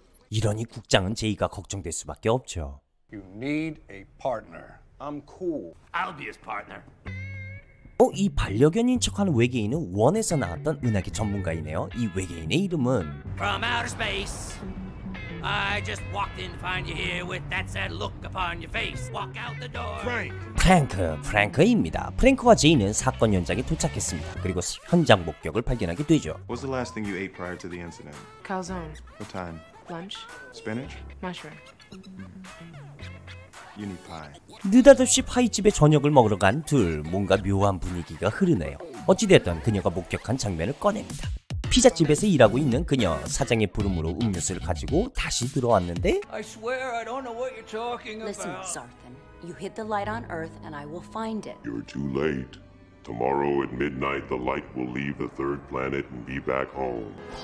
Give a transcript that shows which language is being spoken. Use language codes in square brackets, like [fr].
[ko] 이러니 국장은 제이가 걱정될 수밖에 없죠. [en] You need a partner. I'm cool. I'll be his partner. [ko] 이 반려견인 척하는 외계인은 원에서 나왔던 은하계 전문가이네요. 이 외계인의 이름은 [en] From outer space. I just walked in to find you here with that sad look upon your face. Walk out the door. [ko] Frank입니다. 프랭크와 제이는 사건 현장에 도착했습니다. 그리고 현장 목격을 발견하게 되죠. [en] What was the last thing you ate prior to the incident? Calzone. What time? Lunch. Spinach? Mushroom. You need pie. [ko] 느닷없이 파이집에 저녁을 먹으러 간 둘. 뭔가 묘한 분위기가 흐르네요. 어찌됐든 그녀가 목격한 장면을 꺼냅니다. 피자집에서 일하고 있는 그녀, 사장의 부름으로 음료수를 가지고 다시 들어왔는데 [en] I swear I don't know what you're talking about. Listen, Sarthan. You hit the light on Earth and I will find it. You're too late. Tomorrow at midnight, the light will leave the third planet and be back home.